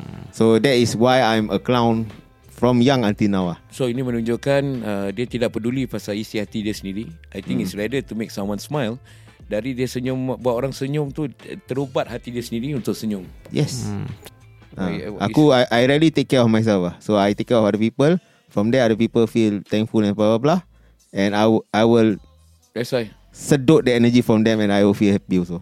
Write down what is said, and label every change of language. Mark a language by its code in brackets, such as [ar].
[en] So that is why I'm a clown from young until now. [ms] So ini menunjukkan dia tidak peduli pasal isi hati dia sendiri. [en] I think it's rather to make someone smile. [ms] Dari dia senyum, buat orang senyum tu terubat hati dia sendiri untuk senyum. [en] Yes. Aku, I really take care of myself. So I take care of other people. From there, other people feel thankful and blah blah blah. And I will, that's why, sedut the energy from them and I will feel happy also.